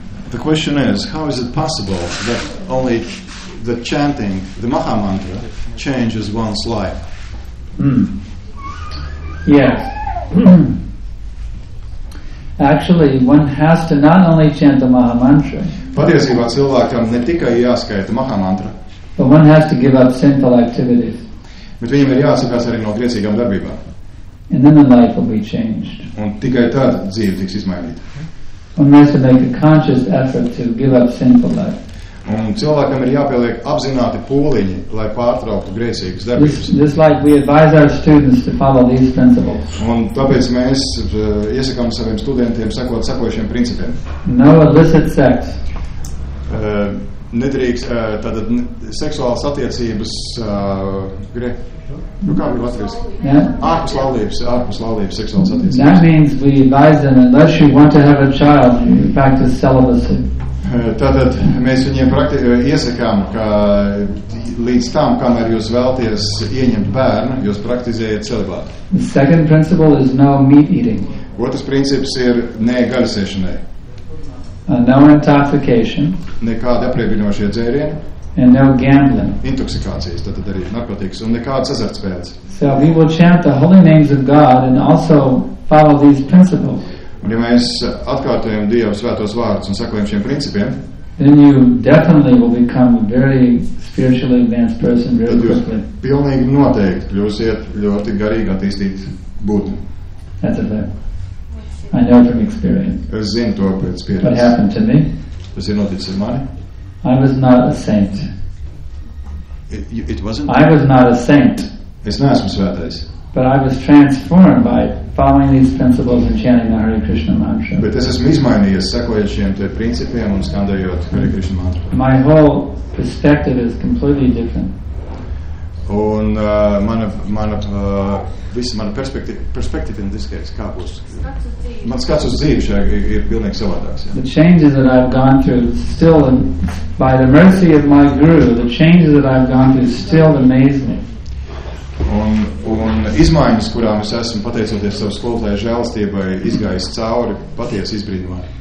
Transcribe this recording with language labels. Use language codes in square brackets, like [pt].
[en] The question is, how is it possible that only the chanting, the Maha Mantra, changes one's life? Yes. Actually, one has to not only chant the Maha Mantra. [lv] Patiesībā cilvēkam ne tikai jāskaita Maha Mantra. [en] But one has to give up sinful activities. [lv] Bet viņam ir jāatsakās arī no griecīgām darbībām. [en] And then the life will be changed. [lv] Un tikai tad dzīve tiks izmainīta. [en] One has to make a conscious effort to give up sinful life. [lv] Un cilvēkam ir jāpieliek apzināti pūliņi, lai pārtrauktu griecīgas darbības. [en] This life we advise our students to follow these principles. [lv] Un tāpēc mēs iesakām saviem studentiem sekot sekojušiem principiem. [en] No illicit sex. [lv] Nedrīkst, tātad seksuālas attiecības, nu kā bija latvijas? [en] Yeah. [lv] Ārpus laulības seksuālas attiecības. [en] That means we advise them, unless you want to have a child, you practice celibacy. [lv] Tātad mēs viņiem iesakām, ka līdz tam, kamēr jūs vēlties ieņemt bērnu, jūs praktizējat celibātu. [en] The second principle is no meat eating. [lv] Otrs princips ir ne gaļasēšanai. [en] No intoxication. [lv] Nekādi apriebinošie dzērieni. [en] And no gambling. [lv] Intoksikācijas, tad arī narkotikas un nekādas azartspēles. [en] So we will chant the holy names of God and also follow these principles. [lv] Un ja mēs atkārtojam Dieva svētos vārdus un sekojam šiem principiem, [en] then you definitely will become a very spiritually advanced person very quickly. [lv] Tad jūs pilnīgi noteikti kļūsiet ļoti garīgi attīstīt būtni. [en] That's it. I know from experience. [lv] Es zinu to pēc pieredzes. [en] What happened to me? [lv] Tas ir noticis ar mani. [en] I was not a saint. It wasn't? I was not a saint. [lv] Es neesmu svētais. [en] But I was transformed by following these principles and chanting the Hare Krishna mantra. [lv] Bet es esmu izmainījies, sekojot šiem te principiem un skandējot Hare Krishna mantra. [en] My whole perspective is completely different. [lv] Un mana perspektīva [en] in this case, [lv] kā būs? Man skats uz dzīvi šajā ir pilnīgi savādāks. [en] The changes that I've gone through still, by the mercy of my guru, the changes that I've gone through still amaze me. [lv] Un izmaiņas, kurām es esmu pateicoties savu skolotāju žēlstībai, izgājis cauri, patiesi izbrīnumā.